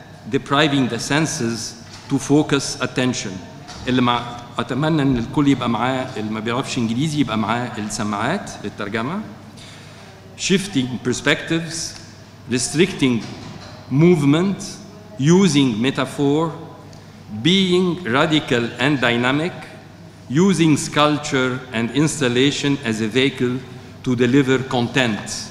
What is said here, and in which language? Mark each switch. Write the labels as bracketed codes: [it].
[en] Depriving the senses to focus attention. [ar] اتمنى ان الكل يبقى معاه، اللي ما بيعرفش انجليزي يبقى معاه السماعات للترجمه. [en] Shifting perspectives, restricting movement, using metaphor, being radical and dynamic, using sculpture and installation as a vehicle to deliver content.